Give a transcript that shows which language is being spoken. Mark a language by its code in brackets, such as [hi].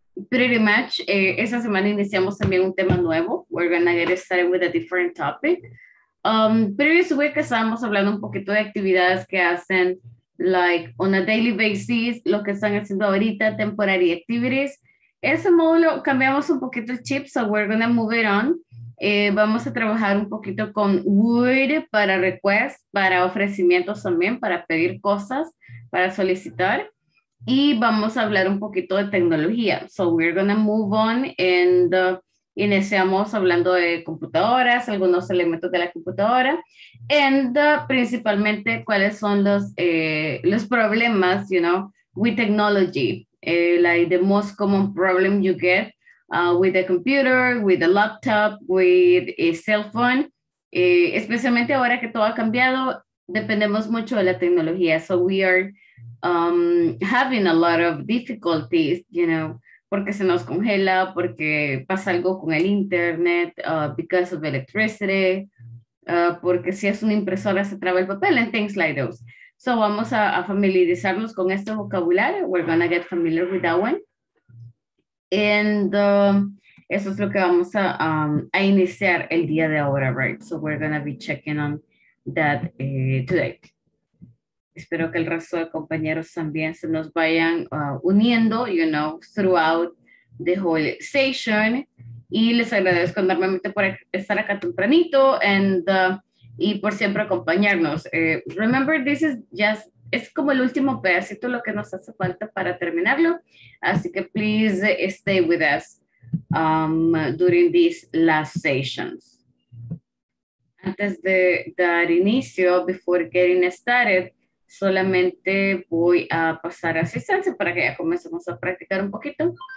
[en] Pretty much, [es] esa semana iniciamos también un tema nuevo. [en] We're going to get started with a different topic. Previous week, [es] estábamos hablando un poquito de actividades que hacen, like, [en] on a daily basis, [es] lo que están haciendo ahorita, [en] temporary activities. [es] Ese módulo, cambiamos un poquito el chip, [en] so we're going to move it on. [es] Vamos a trabajar un poquito con would para requests, para ofrecimientos también, para pedir cosas, para solicitar. Y vamos a hablar un poquito de tecnología. [en] So we're going to move on and [es] iniciamos hablando de computadoras, algunos elementos de la computadora. And principalmente, ¿cuáles son los problemas, [en] you know, with technology? Like the most common problem you get with a computer, with a laptop, with a cell phone. [es] Especialmente ahora que todo ha cambiado, dependemos mucho de la tecnología. [en] So we are having a lot of difficulties, you know, [es] porque se nos congela, porque pasa algo con el internet, [en] because of electricity, [es] porque si es una impresora se traba el papel, [en] and things like those. [es] So vamos a familiarizarnos con este vocabulario. [en] We're going to get familiar with that one. And [es] eso es lo que vamos a iniciar el día de ahora, [en] right? So we're going to be checking on that today. [es] Espero que el resto de compañeros también se nos vayan uniendo, [en] you know, throughout the whole session. [es] Y les agradezco enormemente por estar acá tempranito and, y por siempre acompañarnos. [en] Remember, this is just, [es] es como el último pedacito lo que nos hace falta para terminarlo. Así que [en] please stay with us during these last sessions. [es] Antes de dar inicio, [en] before getting started, [es] solamente voy a pasar asistencia para que ya comencemos a practicar un poquito.